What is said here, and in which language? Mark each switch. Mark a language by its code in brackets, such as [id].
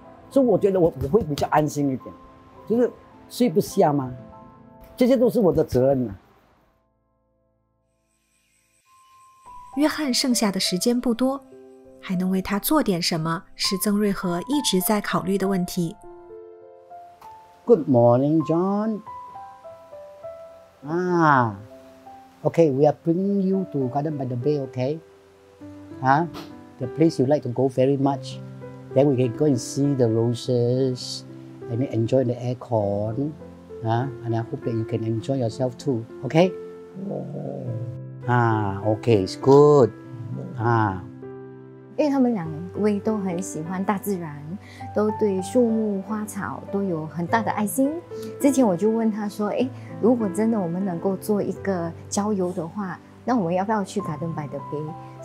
[zh] 所以我觉得我会比较安心一点，就是睡不下吗？这些都是我的责任啊。约翰剩下的时间不多，还能为他做点什么是曾瑞和一直在考虑的问题。 [en] Good morning, John. Okay, we are bringing you to Garden by the Bay, okay? The place you like to go very much. Then we can go and see the roses and enjoy the aircon. And I hope that you can enjoy yourself too, okay? Okay, it's good. [zh] 因为他们两位都很喜欢大自然，都对树木花草都有很大的爱心。之前我就问他说，如果真的我们能够做一个郊游的话，那我们要不要去 Garden by the Bay？